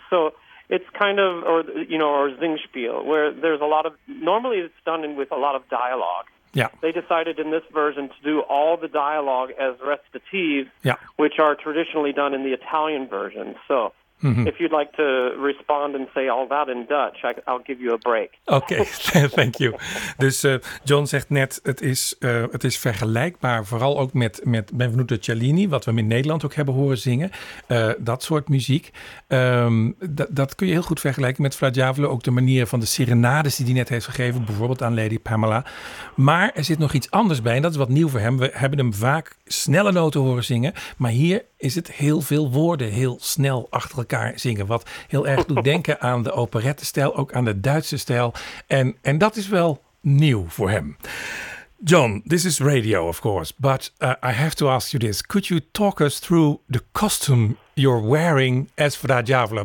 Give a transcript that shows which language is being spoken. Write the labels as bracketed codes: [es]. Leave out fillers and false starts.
[en] So it's kind of, or Singspiel, where there's a lot of, normally it's done in, with a lot of dialogue. Yeah. They decided in this version to do all the dialogue as recitatives, yeah, which are traditionally done in the Italian version. So mm-hmm. If you'd like to respond and say all that in Dutch, I'll give you a break. Okay, thank you. [nl] Dus John zegt net, het is vergelijkbaar, vooral ook met Benvenuto Cellini, wat we hem in Nederland ook hebben horen zingen. Dat soort muziek. Dat kun je heel goed vergelijken met Fra Diavolo. Ook de manier van de serenades die hij net heeft gegeven, bijvoorbeeld aan Lady Pamela. Maar er zit nog iets anders bij, en dat is wat nieuw voor hem. We hebben hem vaak snelle noten horen zingen, maar hier is het heel veel woorden heel snel achter elkaar zingen. Wat heel erg doet denken aan de operettenstijl, ook aan de Duitse stijl. En dat is wel nieuw voor hem. [en] John, this is radio, of course, but I have to ask you this. Could you talk us through the costume you're wearing as Fra Diavolo?